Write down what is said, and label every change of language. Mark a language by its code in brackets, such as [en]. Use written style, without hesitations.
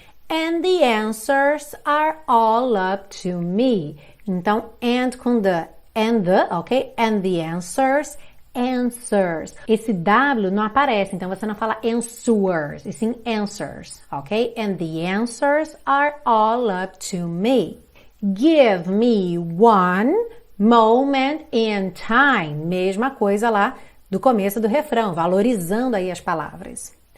[en] And the answers are all up to me. [pt] Então, [en] and com the, and the, ok? And the answers, answers. [pt] Esse W não aparece, então você não fala answers, e sim answers, ok? [en] And the answers are all up to me. Give me one moment in time. [pt] Mesma coisa lá do começo do refrão, valorizando aí as palavras.